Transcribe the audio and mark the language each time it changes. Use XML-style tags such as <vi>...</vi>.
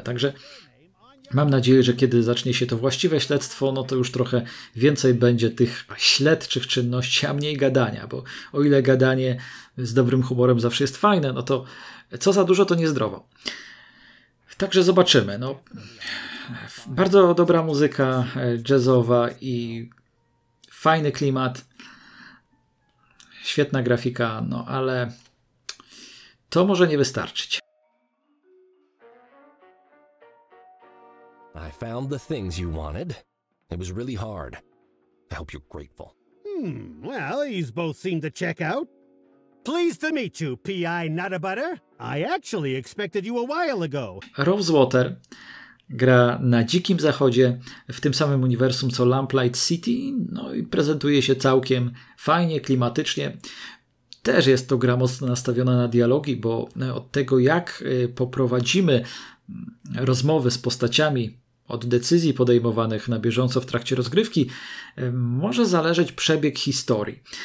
<pl>Także mam nadzieję, że kiedy zacznie się to właściwe śledztwo, no to już trochę więcej będzie tych śledczych czynności, a mniej gadania, bo o ile gadanie z dobrym humorem zawsze jest fajne, no to co za dużo, to niezdrowo. Także zobaczymy. No, bardzo dobra muzyka jazzowa i fajny klimat. Świetna grafika, no ale to może nie wystarczyć.</pl> <en>I found the things you wanted. It was really hard. I hope you're grateful. Well, these both seem to check out. Pleased to meet you, P.I. Nutterbutter. I actually expected you a while ago.</en> <pl>Rosewater gra na dzikim zachodzie, w tym samym uniwersum co Lamplight City, no i prezentuje się całkiem fajnie, klimatycznie. Też jest to gra mocno nastawiona na dialogi, bo od tego jak poprowadzimy rozmowy z postaciami, od decyzji podejmowanych na bieżąco w trakcie rozgrywki, może zależeć przebieg historii.</pl>